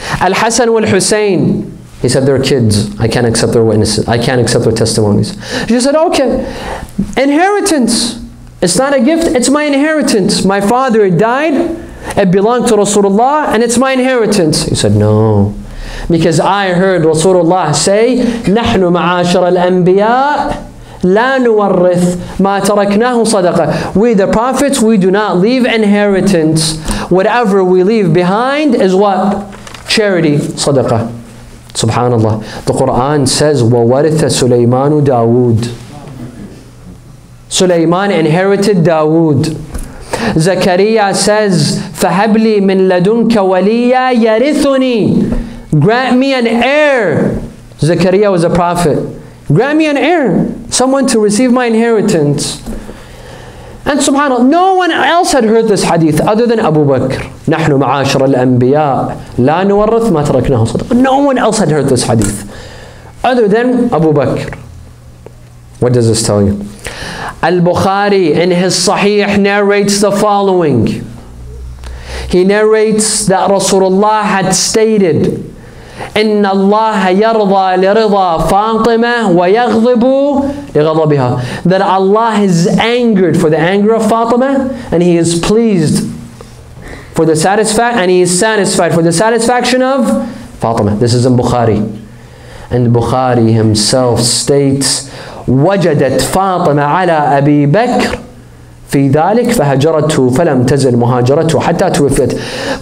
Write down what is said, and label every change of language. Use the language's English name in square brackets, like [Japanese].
[English] Al-Hasan wal-Husayn. He said, "They're kids. I can't accept their witnesses. I can't accept their testimonies." She said, "Okay. Inheritance. It's not a gift. It's my inheritance. My father died. It belonged to Rasulullah and it's my inheritance." He said, "No. Because I heard Rasulullah say, [Arabic] نحن معاشر الأنبياء لا نورث ما تركناه صدقة. [English] We the prophets, we do not leave inheritance. Whatever we leave behind is what? Charity, [Arabic] صدقة." [English] Subhanallah. The Quran says, [Arabic] وَوَرِثَ سُلَيْمَانُ دَاوُودِ. [English] Sulaiman inherited Dawood. Zakariya says, [Arabic] فَهَبْلِي مِن لَدُنْكَ وَلِيَّا يَرِثُنِي. [English] Grant me an heir. Zakariya was a prophet. Grant me an heir. Someone to receive my inheritance. And subhanAllah, no one else had heard this hadith other than Abu Bakr. [Arabic] نحن معاشر الأنبياء لا نورث ما تركناه صدق. [English] No one else had heard this hadith other than Abu Bakr. What does this tell you? Al-Bukhari in his Sahih narrates the following. He narrates that Rasulullah had stated, [Arabic] إِنَّ اللَّهَ يَرْضَى لِرِضَى فَاطِمَةَ وَيَغْضِبُ لِغَضَبِهَا. [English] That Allah is angered for the anger of Fatima, and He is pleased for the satisfied for the satisfaction of Fatima. This is in Bukhari. And Bukhari himself states, [Arabic] وَجَدَتْ فَاطِمَ عَلَىٰ أَبِي بَكْرٍ في ذلك فهجرته فلم تزل مهاجرته حتى توفيت.